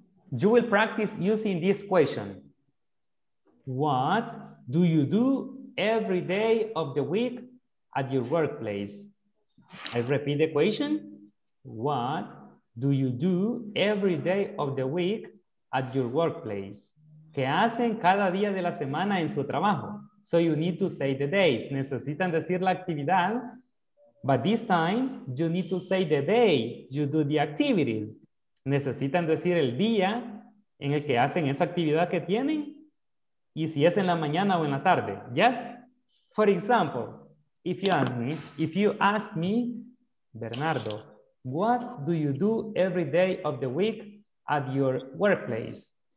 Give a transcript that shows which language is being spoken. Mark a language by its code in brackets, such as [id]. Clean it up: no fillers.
[en] You will practice using this question. What do you do every day of the week at your workplace? I repeat the question. What do you do every day of the week at your workplace? [es] ¿Qué hacen cada día de la semana en su trabajo? [en] So you need to say the days. [es] Necesitan decir la actividad, [en] but this time you need to say the day you do the activities. [es] Necesitan decir el día en el que hacen esa actividad que tienen y si es en la mañana o en la tarde. [en] Yes? For example, if you ask me, Bernardo, what do you do every day of the week at your workplace?